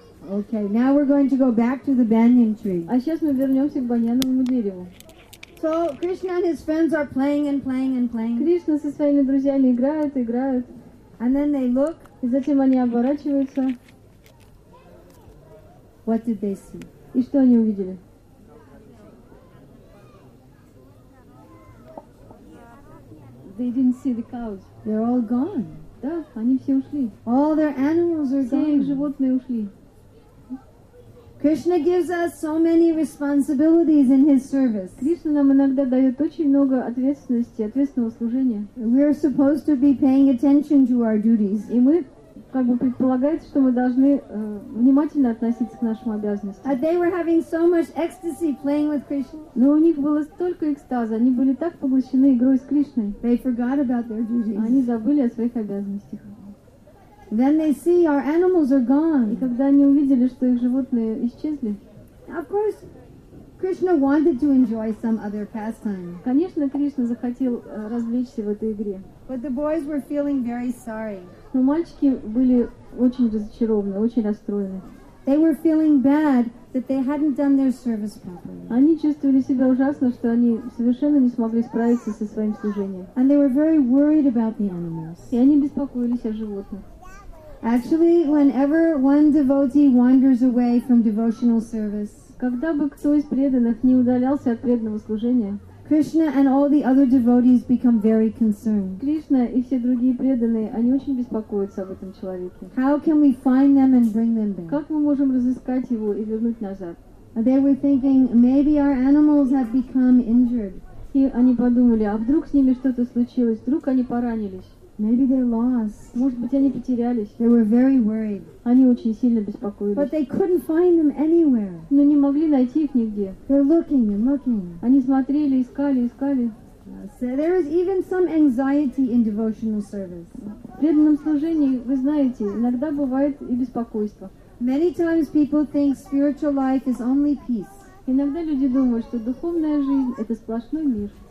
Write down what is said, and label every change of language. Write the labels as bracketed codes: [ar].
[en] Okay, now we're going to go back to the banyan tree. [ru] А сейчас мы вернемся к баньяновому дереву. [en] So Krishna and his friends are playing and playing and playing. [ru] Кришна со своими друзьями играют, играют. [en] And then they look. [ru] И затем они оборачиваются. [en] What did they see? [ru] И что они увидели? [en] They didn't see the cows. They're all gone. [ru] Да, они все ушли. [en] All their animals are [ru] gone. Все их животные ушли. [en] Krishna gives us so many responsibilities in his service. [ru] Кришна нам иногда дает очень много ответственности, ответственного служения. [en] We are supposed to be paying attention to our duties. [ru] И мы, как бы предполагается, что мы должны внимательно относиться к нашим обязанностям. [en] But they were having so much ecstasy playing with Krishna. [ru] Но у них было столько экстаза, они были так поглощены игрой с Кришной. [en] They forgot about their duties. [ru] Они забыли о своих обязанностях. [en] Then they see our animals are gone. [ru] И когда они увидели, что их животные исчезли, [en] of course, Krishna wanted to enjoy some other pastime. [ru] Конечно, Кришна захотел развлечься в этой игре. [en] But the boys were feeling very sorry. [ru] Но мальчики были очень разочарованы, очень расстроены. [en] They were feeling bad that they hadn't done their service properly. [ru] Они чувствовали себя ужасно, что они совершенно не смогли справиться со своим служением. [en] And they were very worried about the animals. [ru] И они беспокоились о животных. [en] Actually, whenever one devotee wanders away from devotional service, [ru] когда бы кто из преданных не удалялся от преданного служения, [en] Krishna and all the other devotees become very concerned. [ru] Кришна и все другие преданные, они очень беспокоятся об этом человеке. [en] How can we find them and bring them back? [ru] Как мы можем разыскать его и вернуть назад? [en] They were thinking maybe our animals have become injured. [ru] И они подумали, а вдруг с ними что-то случилось? Вдруг они поранились? [en] Maybe they're lost. [ru] Может быть, они потерялись. [en] They were very worried. [ru] Они очень сильно беспокоились. [en] But they couldn't find them anywhere. [ru] Но не могли найти их нигде. [en] They're looking and looking. [ru] Они смотрели, искали, искали. [en] So there is even some anxiety in devotional service. [ru] В преданном служении, вы знаете, иногда бывает и беспокойство. [en] Many times people think spiritual life is only peace. [ru] Иногда люди думают, что духовная жизнь — это сплошной мир.